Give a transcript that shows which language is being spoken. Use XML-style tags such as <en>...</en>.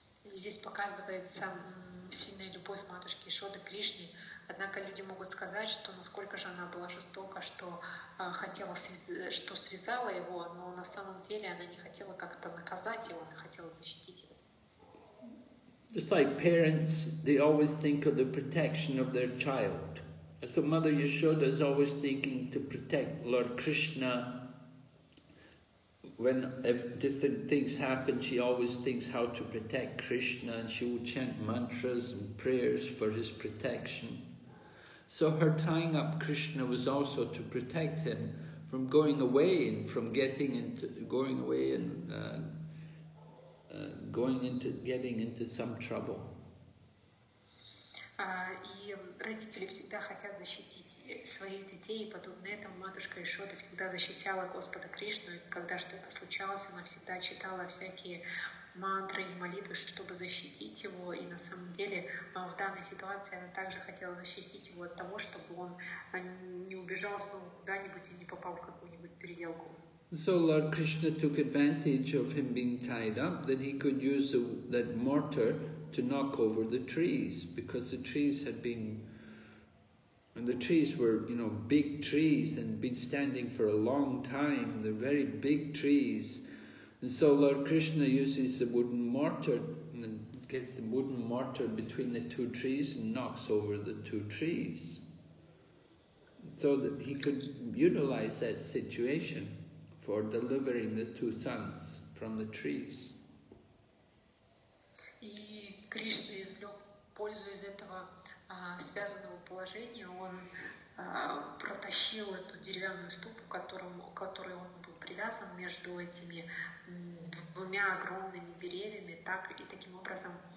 <ru>Здесь показывается сильная любовь матушки Ишоды к Кришне. Однако люди могут сказать, что насколько же она была жестока, что хотела, что связала его, но на самом деле она не хотела как-то наказать его, она хотела защитить его.</ru> <en>Just like parents, they always think of the protection of their child. So Mother Yashoda is always thinking to protect Lord Krishna. When different things happen, she always thinks how to protect Krishna, and she will chant mantras and prayers for his protection. So her tying up Krishna was also to protect him from going away and from getting into some trouble.</en> <ru>И родители всегда хотят защитить своих детей, и подобно этому матушка Ишода всегда защищала Господа Кришну, и когда что-то случалось, она всегда читала всякие мантры и молитвы, чтобы защитить его, и на самом деле в данной ситуации она также хотела защитить его от того, чтобы он не убежал снова куда-нибудь и не попал в какую-нибудь переделку.</ru> <en>So Lord Krishna took advantage of him being tied up, that he could use that mortar to knock over the trees, because the trees were, you know, big trees and been standing for a long time, they're very big trees. And so Lord Krishna uses the wooden mortar and gets the wooden mortar between the two trees and knocks over the two trees, so that he could utilize that situation for delivering the two sons from the trees.</en> <ru>Кришна извлек пользу из этого связанного положения. Он протащил эту деревянную ступу, к которой он был привязан между этими двумя огромными деревьями, так и таким образом</ru>